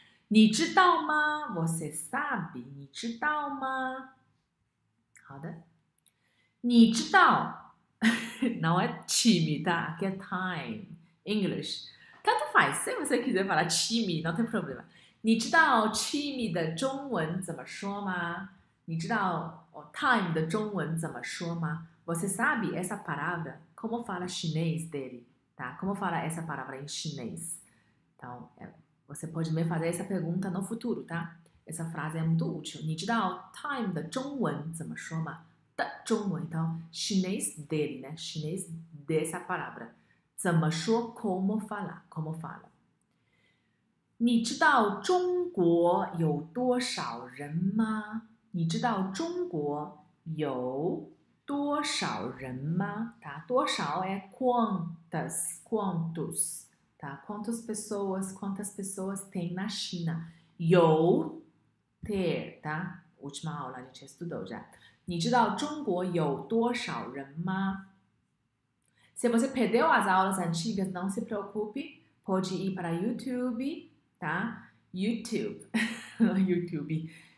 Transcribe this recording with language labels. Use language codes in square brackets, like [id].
[zh] Ni zhi dao ma? [pt] Você sabe? [zh] Ni zhi dao ma? 好的。Ni zhi dao? [pt] Não é time, tá? Aqui é time, English. Tanto faz, se você quiser falar time, não tem problema. [zh] 你知道 Chimi 的中文怎么说吗？你知道 Time 的中文怎么说吗？ [pt] Você sabe essa palavra? Como fala chinês dele? Tá? Como fala essa palavra em chinês? Então, você pode me fazer essa pergunta no futuro, tá? Essa frase é muito útil. [zh] 你知道 Time 的中文怎么说吗？ [pt] 的中文，então chinês dele, né? Chinês dessa palavra. [zh] 怎么说？ [pt] Como fala? Como fala? [zh] 你知道中国有多少人吗？你知道中国有多少人吗？ [pt] 答多少 é quantas，quantos，答 quantas pessoas tem na China？有 ter，答 última aula a gente estudou já。 [zh] 你知道中国有多少人吗？ [pt] Se você perdeu as aulas antigas, não se preocupe, pode ir para YouTube。 Tá? YouTube. YouTube.